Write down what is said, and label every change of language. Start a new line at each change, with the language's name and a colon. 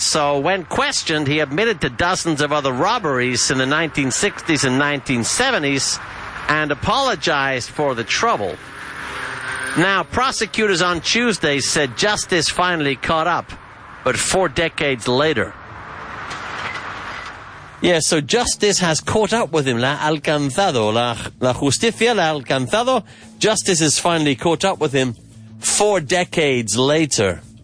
English: So when questioned, he admitted to dozens of other robberies in the 1960s and 1970s and apologized for the trouble. Now, prosecutors on Tuesday said justice finally caught up, but four decades later. Yeah, so justice has caught up with him.
Spanish: La alcanzado. La justicia la alcanzado.
English: Justice has finally caught up with him four decades later.